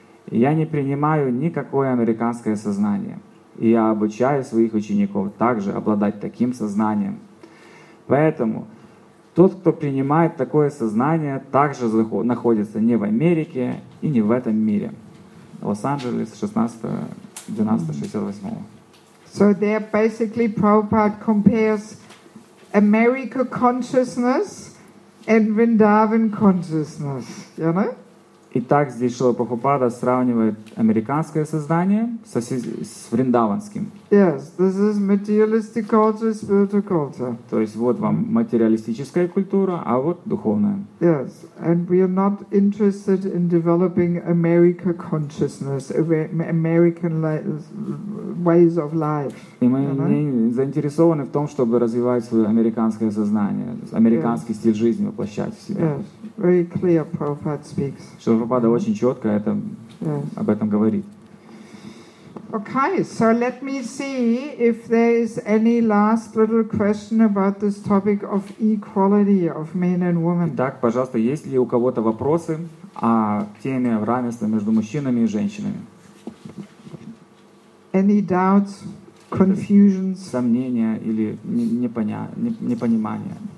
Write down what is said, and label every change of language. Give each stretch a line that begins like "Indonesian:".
Russian: Я не принимаю никакое американское сознание. И я обучаю своих учеников также обладать таким сознанием. Поэтому тот, кто принимает такое сознание, также находится не в Америке и не в этом мире. Лос-Анджелес, 16.12.68.
English: So there basically Prabhupada compares America consciousness and Vrindavan consciousness, you know?
Russian: Итак, здесь Шрила Прабхупада сравнивает американское сознание с вриндаванским.
English: Yes, this is materialistic culture, spiritual culture.
Russian: То есть вот вам материалистическая культура, а вот духовная.
English: Yes, and we are not interested in developing America consciousness, American ways of life.
Russian: И мы не заинтересованы в том, чтобы развивать свое американское сознание, американский стиль жизни воплощать в себя.
English: Yes, very clear Prabhupada speaks.
Russian: Прабхупада очень четко об этом говорит.
English: Okay, so let me see if there is any last little question about this topic of equality of men and women.
Russian: Итак, пожалуйста, есть ли у кого-то вопросы о теме равенства между мужчинами и женщинами?
English: Any doubts, confusions?
Russian: Сомнения или непонимание?